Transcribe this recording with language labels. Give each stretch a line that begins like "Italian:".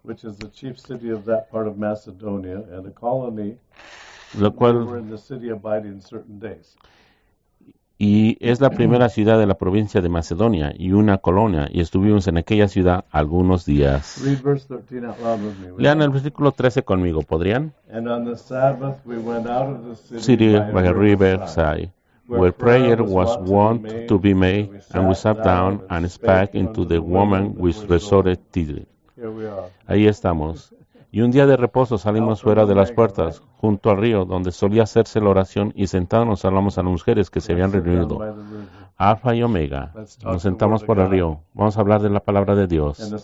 English: which is the chief city of that part of Macedonia and a colony.
Spanish: Lo cual,
English: we were in the city abiding certain days.
Spanish: Y es la primera ciudad de la provincia de Macedonia y una colonia. Y estuvimos en aquella ciudad algunos días.
English: Read verse 13 out loud with me.
Spanish: Lean el versículo 13 conmigo, ¿podrían?
English: And on the Sabbath we went out of the city by a riverside, where prayer was wont to be made, and we sat down and spake unto the woman with resorted tear.
Spanish: Ahí estamos. Y un día de reposo salimos fuera de las puertas, junto al río, donde solía hacerse la oración, y sentados hablamos a las mujeres que se habían reunido. Alfa y Omega. Nos sentamos por el río. Vamos a hablar de la palabra de Dios.